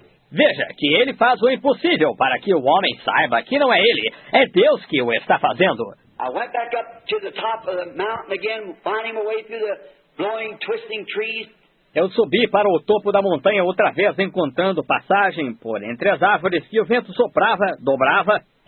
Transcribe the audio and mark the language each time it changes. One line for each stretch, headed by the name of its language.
Portuguese: Veja, que ele faz o impossível para que o homem saiba que não é ele, é Deus que o está fazendo.
English: I went back up to the top of the mountain again, finding my way through the blowing, twisting trees.
Portuguese: Eu subi para o topo da montanha outra vez, encontrando passagem por entre as árvores que o vento soprava, dobrava.